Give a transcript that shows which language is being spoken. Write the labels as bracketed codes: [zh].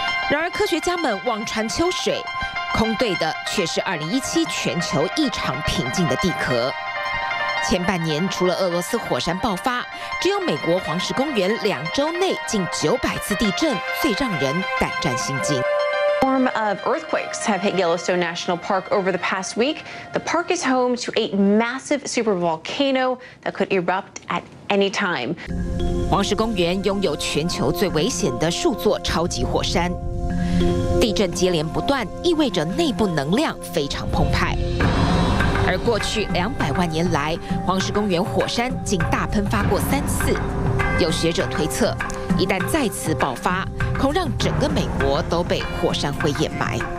[zh] 然而科学家们望穿秋水，空对的却是2017全球异常平静的地壳。前半年除了俄罗斯火山爆发，只有美国黄石公园2周内近900次地震，最让人胆战心惊。 [en] Form of earthquakes have hit Yellowstone National Park over the past week. The park is home to a massive supervolcano that could erupt at any time. [zh] 黄石公园拥有全球最危险的数座超级火山，地震接连不断，意味着内部能量非常澎湃。而过去200万年来，黄石公园火山仅大喷发过3次。有学者推测，一旦再次爆发，恐让整个美国都被火山灰掩埋。